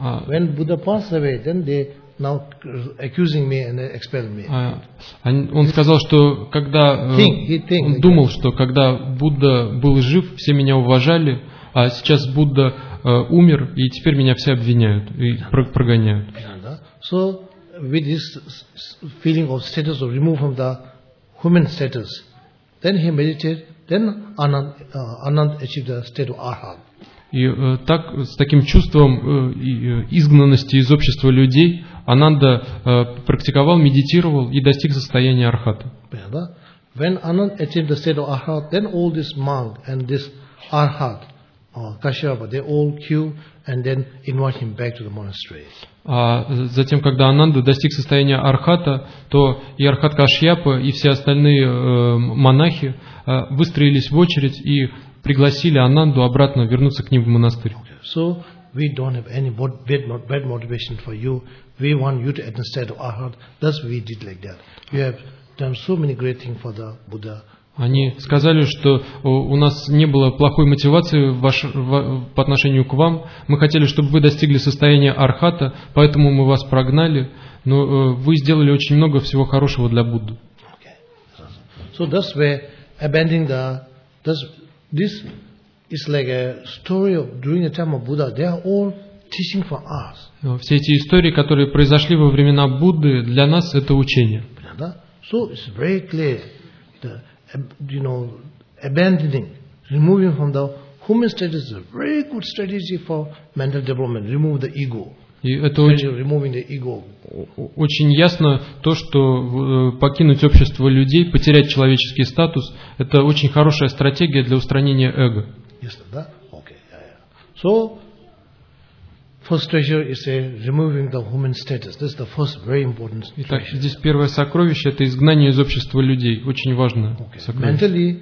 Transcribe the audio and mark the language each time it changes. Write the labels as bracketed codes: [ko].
[en] When Buddha pass away, then they now accusing me and expel me. [ru] Он сказал, что когда он думал, что когда Будда был жив, все меня уважали, а сейчас Будда умер, и теперь меня все обвиняют и прогоняют. [en] So with this feeling of status of removed from the human status. Then he meditated. Then Ананд achieved the state of Arhat. [ru] И так с таким чувством изгнанности из общества людей Ананда практиковал, медитировал и достиг состояния Архата. [en] When Ананд achieved the state of Arhat, then all this monk and this Arhat, Kashyapa, they all queue and then invite him back to the monastery. [ru] А затем, когда Ананда достиг состояния Архата, то и Архат Кашьяпа, и все остальные монахи выстроились в очередь и пригласили Ананду обратно вернуться к ним в монастырь. [en] Okay. So we don't have any bad motivation for you. We want you to understand Arhat. That's why we did like that. You have done so many great things for the Buddha. [ru] Они сказали, что у нас не было плохой мотивации по отношению к вам. Мы хотели, чтобы вы достигли состояния Архата, поэтому мы вас прогнали. Но вы сделали очень много всего хорошего для Будды. [en] Okay. So that's where abandoning the this is like a story of during the time of Buddha. They are all teaching for us. [ru] Все эти истории, которые произошли во времена Будды, для нас это учение. [en] So it's very clear. You know, abandoning, removing from the human status is a very good strategy for mental development. Remove the ego. Removing the ego. [ru] Очень ясно то, что покинуть общество людей, потерять человеческий статус, это очень хорошая стратегия для устранения эго. [en] Yes, да? Okay. So, first treasure is removing the human status. This is the first very important treasure. [ru] Итак, здесь первое сокровище это изгнание из общества людей, очень важное сокровище.